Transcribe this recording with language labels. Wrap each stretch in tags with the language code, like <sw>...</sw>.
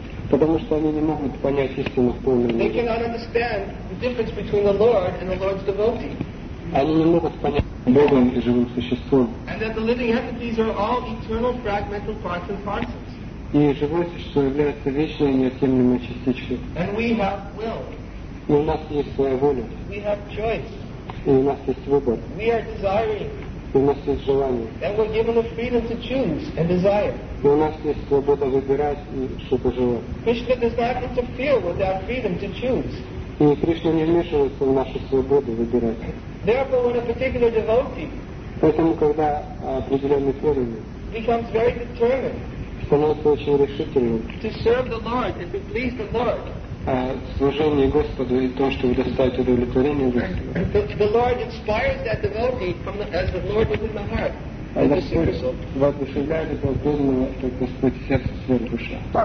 <ru>Потому что они не могут понять истину в полной мере.</ru> <en>They cannot understand the difference between the Lord and the Lord's devotee.</en> <ru>Они не могут понять Бога и живым существом.</ru> <en>And that the living entities are all eternal fragmental parts and parcels.</en> <ru>И живое существо является вечной неотъемлемой частичкой.</ru> <en>And we have will.</en> <ru>И у нас есть своя воля.</ru> <en>We have choice.</en> <ru>И у нас есть выбор.</ru> <en>We are desiring.</en> <ru>И у нас есть желание.</ru> <en>And we're given the freedom to choose and desire.</en> <ru>И у нас есть свобода выбирать и что-то желать.</ru> <en>Krishna does not interfere with our freedom to choose.</en> <ru>И Кришна не вмешивается в нашу свободу выбирать.</ru> <en>Therefore, when a particular devotee,</en> <ru>поэтому, когда определенный преданный</ru> <en>becomes very determined,</en> <ru>становится очень решительным,</ru> <en>to serve the Lord and to please the Lord,</en> <ru>служение Господу и то, чтобы доставить удовлетворение Господу.</ru> <en>The Lord inspires that devotee from as the Lord within the heart.</en> <ru>Воодушевляет этого преданного, как Господь сердце сверх души.</ru>